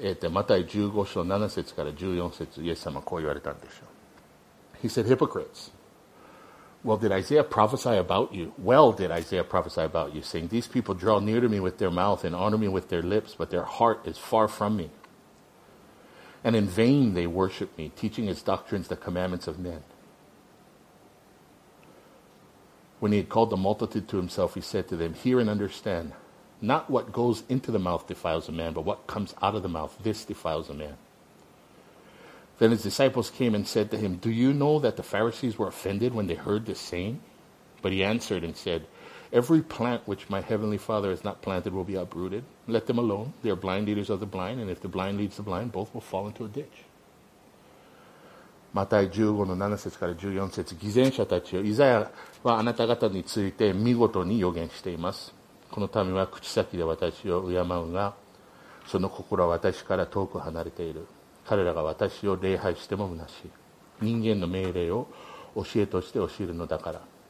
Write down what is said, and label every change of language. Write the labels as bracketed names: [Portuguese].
[Japanese] マタイ15章7節から14節、イエス様はこう言われたんでしょう。 [English] He said, hypocrites, well, did Isaiah prophesy about you? Well, did Isaiah prophesy about you, saying, these people draw near to me with their mouth and honor me with their lips, but their heart is far from me. And in vain they worship me, teaching as doctrines the commandments of men. When he had called the multitude to himself, he said to them, Hear and understand, not what goes into the mouth defiles a man, but what comes out of the mouth, this defiles a man. Then his disciples came and said to him, Do you know that the Pharisees were offended when they heard this saying? But he answered and said, Every plant which my heavenly Father has not planted will be uprooted. Let them alone. They are blind leaders of the blind, and if the blind leads the blind, both will fall into a ditch. [Japanese] マタイ15の7節から14節、偽善者たちよ、イザヤはあなた方について見事に予言しています。この民は口先で私を敬うが、その心は私から遠く離れている。彼らが私を礼拝しても虚しい。人間の命令を教えとして教えるのだから。